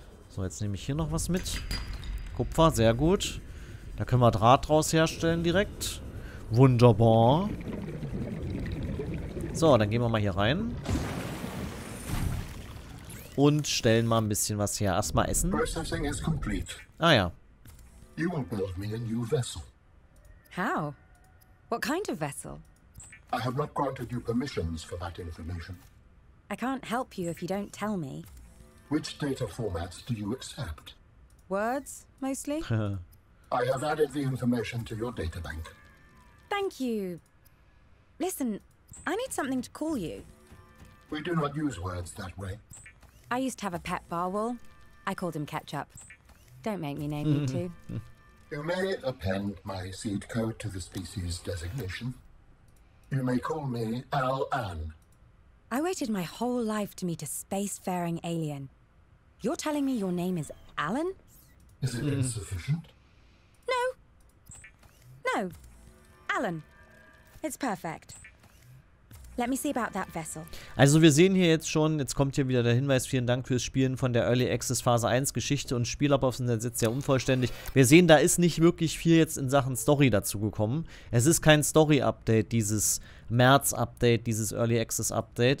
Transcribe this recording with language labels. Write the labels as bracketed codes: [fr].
[de] So, jetzt nehme ich hier noch was mit. Kupfer, sehr gut. Da können wir Draht draus herstellen direkt. Wunderbar. So, dann gehen wir mal hier rein. Und stellen mal ein bisschen was her. Erstmal essen. [en] Processing is complete. Ah ja. You will build me a new vessel. How? What kind of vessel? I have not granted you permissions for that information. I can't help you if you don't tell me. Which data formats do you accept? Words, mostly. I have added the information to your databank. Thank you. Listen, I need something to call you. We do not use words that way. I used to have a pet barwol. I called him Ketchup. Don't make me name you two. You may append my seed code to the species designation. You may call me Al An. I waited my whole life to meet a spacefaring alien. You're telling me your name is Alan? Is it insufficient? No. No. Alan. It's perfect. Let me see about that vessel. [de] Also wir sehen hier jetzt schon, jetzt kommt hier wieder der Hinweis, vielen Dank fürs Spielen von der Early Access Phase 1, Geschichte und Spielablauf sind jetzt sehr unvollständig. Wir sehen, da ist nicht wirklich viel jetzt in Sachen Story dazu gekommen. Es ist kein Story-Update, dieses März-Update, dieses Early Access-Update.